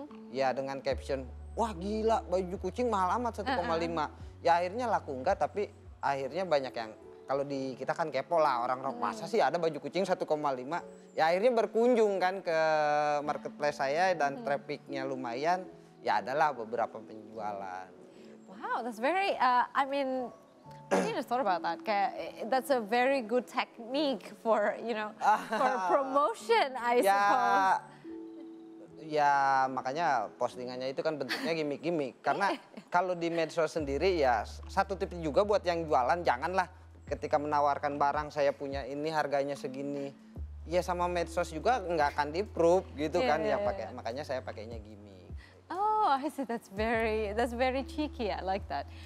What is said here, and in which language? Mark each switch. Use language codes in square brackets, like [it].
[id] Ya dengan caption, wah gila baju kucing mahal amat 1,5. Ya akhirnya laku enggak, tapi akhirnya banyak yang, kalau di kita kan kepo lah orang, masa sih ada baju kucing 1,5. Ya akhirnya berkunjung kan ke marketplace saya dan trafficnya lumayan, ya adalah beberapa penjualan. [en] Wow, that's very, I need to thought about that. Kayak, that's a very good technique for, you know, for promotion, I suppose. [id] Ya makanya postingannya itu kan bentuknya gimmick-gimmick. Karena kalau di medsos sendiri ya satu tip juga buat yang jualan, janganlah ketika menawarkan barang saya punya ini harganya segini. Ya sama medsos juga nggak akan di-prove gitu kan. Ya pakai, makanya saya pakainya gimmick. [en] Oh I see, that's very cheeky, I like that.